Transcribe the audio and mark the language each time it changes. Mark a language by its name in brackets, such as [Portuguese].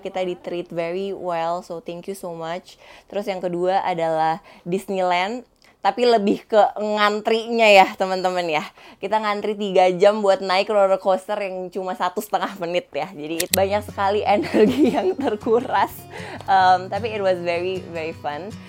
[Indonesian] Kita di [English] treat very well, so thank you so much. [Indonesian] Terus yang kedua adalah Disneyland, tapi lebih ke ngantrinya ya teman-teman ya. Kita ngantri 3 jam buat naik roller coaster yang cuma 1.5 menit ya. Jadi banyak sekali energi yang terkuras. [English] Tapi it was very very fun.